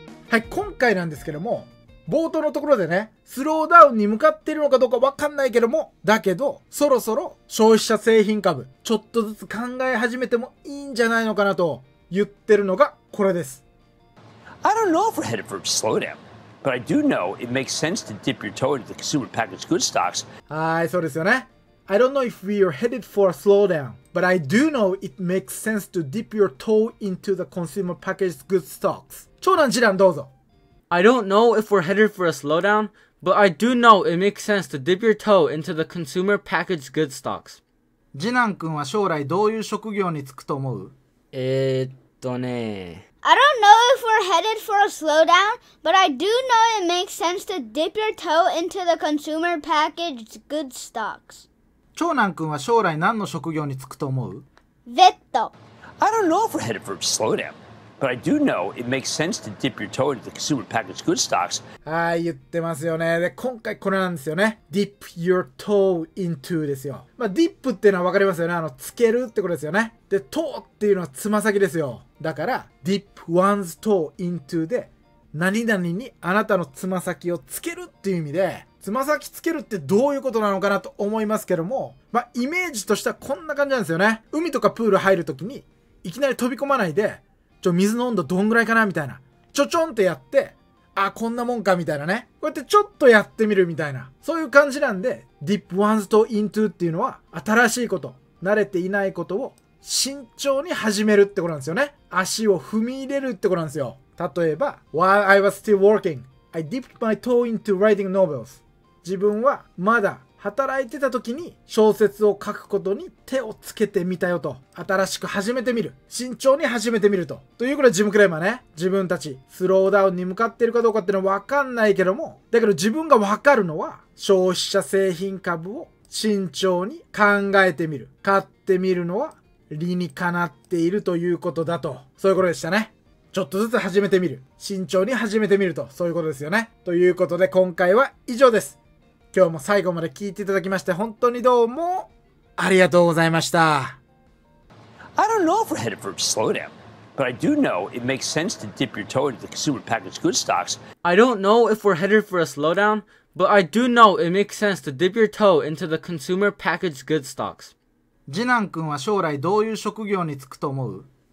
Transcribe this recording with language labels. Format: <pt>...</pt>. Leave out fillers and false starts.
<ja>はい、今回なんですけども、冒頭のところでね、スローダウンに向かってるのかどうか分かんないけども、だけどそろそろ消費者製品株ちょっとずつ考え始めてもいいんじゃないのかなと言ってるのがこれです。</ja> <en>I don't know if we're headed for a slowdown, but I do know it makes sense to dip your toe into the consumer packaged goods stocks.</en> <ja>はい、そうですよね。</ja> <en>I don't know if we are headed for a slowdown, but I do know it makes sense to dip your toe into the consumer packaged goods stocks.</en> <ja>長男次男どうぞ。</ja> <en>I don't know if we're headed for a slowdown, but I do know it makes sense to dip your toe into the consumer packaged goods stocks.</en> <ja>次男くんは将来どういう職業に就くと思う？</ja> <en>I don't know if we're headed for a slowdown, but I do know it makes sense to dip your toe into the consumer packaged goods stocks.</en> <ja>長男くんは将来何の職業に就くと思う？</ja> <en>Vet. I don't know if we're headed for a slowdown, but I do know it makes sense to dip your toe into the consumer packaged goods stocks.</en> <ja>はい、言ってますよね。で、今回これなんですよね。</ja> <en>Dip your toe into</en> <ja>ですよ。まあ、dip っていうのはわかりますよね。つけるってことですよね。で、トーっていうのはつま先ですよ。だから</ja> <en>Dip one's toe into</en> <ja>で、何々にあなたのつま先をつけるっていう意味で、つま先つけるってどういうことなのかなと思いますけども、まあ、イメージとしてはこんな感じなんですよね。海とかプール入るときにいきなり飛び込まないで、ちょ、水の温度どんぐらいかなみたいな、ちょちょんってやって、あ、こんなもんかみたいなね、こうやってちょっとやってみるみたいな、そういう感じなんで、</ja> <en>Dip one's toe into</en> <ja>っていうのは、新しいこと、慣れていないことを慎重に始めるってことなんですよね。足を踏み入れるってことなんですよ。例えば</ja> <en>While I was still working, I dipped my toe into writing novels.</en> <ja>自分はまだ働いてた時に小説を書くことに手をつけてみたよと、新しく始めてみる、慎重に始めてみると。ということで、ジムクレーマーね、自分たちスローダウンに向かってるかどうかってのは分かんないけども、だけど自分が分かるのは、消費者製品株を慎重に考えてみる、買ってみるのは理にかなっているということだと、そういうことでしたね。ちょっとずつ始めてみる、慎重に始めてみると、そういうことですよね。ということで今回は以上です。今日も最後まで聞いていただきまして本当にどうもありがとうございました。</ja> <en>I don't know if we're headed for a slowdown, but I do know it makes sense to dip your toe into the consumer packaged goods stocks. I don't know if we're headed for a slowdown, but I do know it makes sense to dip your toe into the consumer packaged goods stocks.</en> <ja>次男くんは将来どういう職業に就くと思う？</ja>